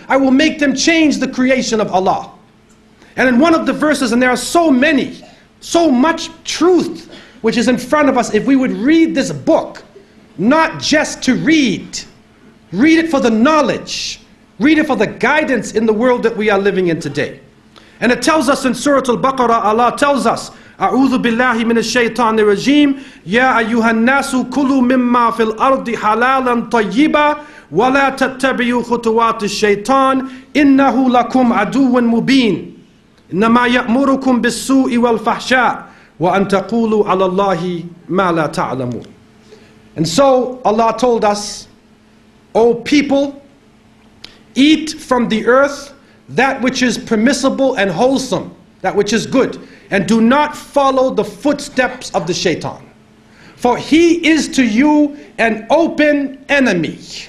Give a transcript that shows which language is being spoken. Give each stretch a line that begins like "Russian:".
English: I will make them change the creation of Allah. And in one of the verses, and there are so many, so much truth which is in front of us, if we would read this book, not just to read. Read it for the knowledge. Read it for the guidance in the world that we are living in today. And it tells us in Surah Al-Baqarah, Allah tells us,
Arabic: أعوذ بالله من الشيطان الرجيم يا أيها الناس كلوا مما في الأرض حلالا طيبا ولا تتبعوا خطوات الشيطان إنه لكم عدو مبين إنما يأمركم بالسوء والفحشاء وأن تقولوا على الله ما لا تعلمون.
English: And so Allah told us, O people, eat from the earth that which is permissible and wholesome, that which is good, and do not follow the footsteps of the shaitan. For he is to you an open enemy.